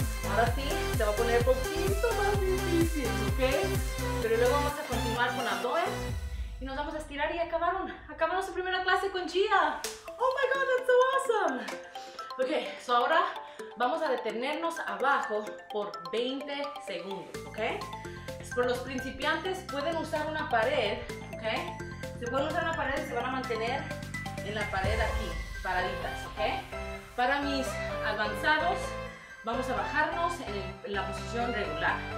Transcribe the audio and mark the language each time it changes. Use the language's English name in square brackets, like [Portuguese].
[Spanish] Ahora sí, te va a poner un poquito más difícil, ¿ok? Pero luego vamos a continuar con abdomen y nos vamos a estirar y acabaron. Acabaron su primera clase con Gia. [English] Oh my god, that's so awesome. [Spanish] Ok, so ahora vamos a detenernos abajo por 20 segundos, ¿ok? Por los principiantes pueden usar una pared, ¿ok? Se pueden usar una pared y se van a mantener en la pared aquí. Paraditas, ¿ok? Para mis avanzados, vamos a bajarnos en la posición regular.